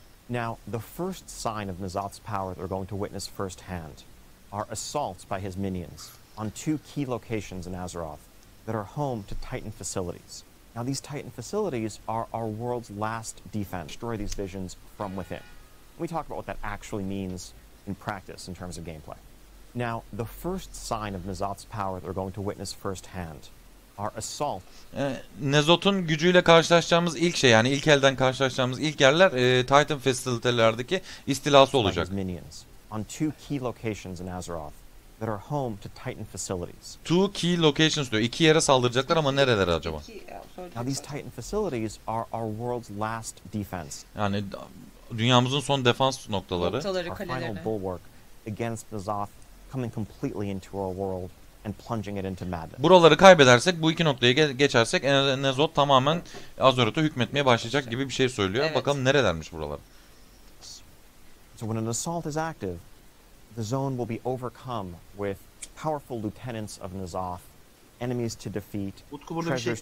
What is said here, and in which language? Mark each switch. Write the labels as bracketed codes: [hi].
[en] Now, the first sign of N'Zoth's power that we're going to witness firsthand are assaults by his minions on two key locations in Azeroth that are home to Titan facilities. Now these Titan facilities are our world's last defense. Destroy these visions from within. We talk about what that actually means in practice in terms of gameplay. Now the first sign of N'Zoth's power that we're going to witness firsthand are assault. [tr] N'Zoth'un gücüyle karşılaşacağımız ilk şey, yani ilk elden karşılaşacağımız ilk yerler Titan facility'lerdeki istilası olacak. [en] On two key locations in Azeroth that are home to Titan facilities. Two key locations [tr] diyor. İki yere saldıracaklar ama nereler acaba? [en] Now these Titan facilities are our world's last defense. [tr] Yani dünyamızın son defans noktaları. [en] Our final bulwark against N'Zoth coming completely into our world and plunging it into madness. [tr] Buraları kaybedersek, bu iki noktaya geçersek N'Zoth tamamen Azeroth'a hükmetmeye başlayacak gibi bir şey söylüyor. Evet. Bakalım nerelermiş buralar. [en] So when an assault is active, the zone will be overcome with powerful lieutenants of N'Zoth, enemies to defeat, treasures